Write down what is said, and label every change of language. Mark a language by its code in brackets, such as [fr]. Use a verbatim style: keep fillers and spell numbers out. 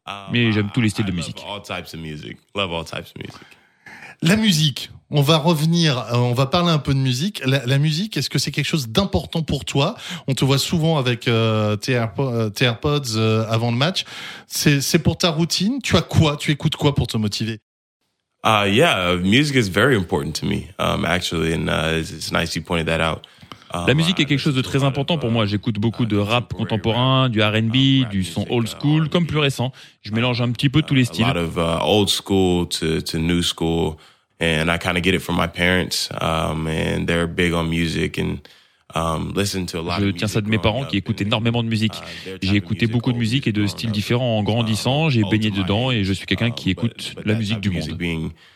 [fr] Mais j'aime tous les styles de musique. [en] All types of music. Love all types of music. [fr] La musique, on va revenir, on va parler un peu de musique. La, la musique, est-ce que c'est quelque chose d'important pour toi? On te voit souvent avec euh, tes, Airpo- tes AirPods euh, avant le match. C'est, c'est pour ta routine? Tu as quoi? Tu écoutes quoi pour te motiver? [en] Uh, yeah, music is very important to me, um, actually, and uh, it's, it's nice you pointed that out. [fr] La musique est quelque chose de très important pour moi. J'écoute beaucoup de rap contemporain, du R and B, du son old school, comme plus récent. Je mélange un petit peu tous les styles. [en] A lot of uh, old school to, to new school, and I kind of get it from my parents, um, and they're big on music and. [fr] Je tiens ça de mes parents qui écoutent énormément de musique. J'ai écouté beaucoup de musique et de styles différents en grandissant, j'ai baigné dedans et je suis quelqu'un qui écoute la musique du monde.